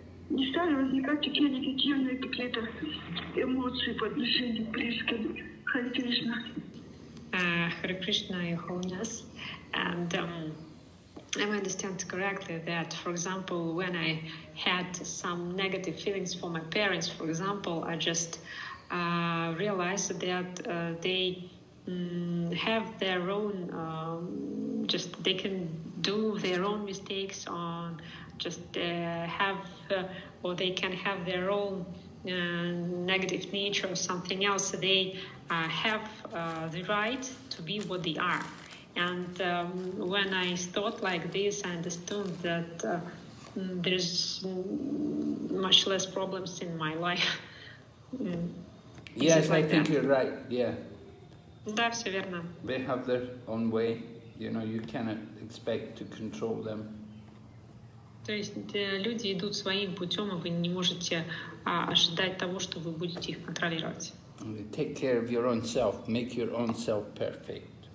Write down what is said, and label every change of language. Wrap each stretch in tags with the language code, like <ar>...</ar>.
<ru>Не стали возникать такие негативные какие-то эмоции по отношению к близким. Харе Кришна. Харе Кришна,</ru> <en>Your Holiness. Am I understand correctly that, for example, when I had some negative feelings for my parents, for example, I just realized that they have their own, just they can do their own mistakes on, just have, or they can have their own negative nature or something else. So they have the right to be what they are. And when I thought like this, I understood that there's much less problems in my life. Yes, like I think that. You're right, yeah.</en> <ru>Да, все верно.</ru> <en>They have their own way, you know, you cannot expect to control them.</en> <ru>То есть люди идут своим путем, и вы не можете ожидать того, что вы будете их контролировать.</ru> <en>Take care of your own self, make your own self perfect.</en>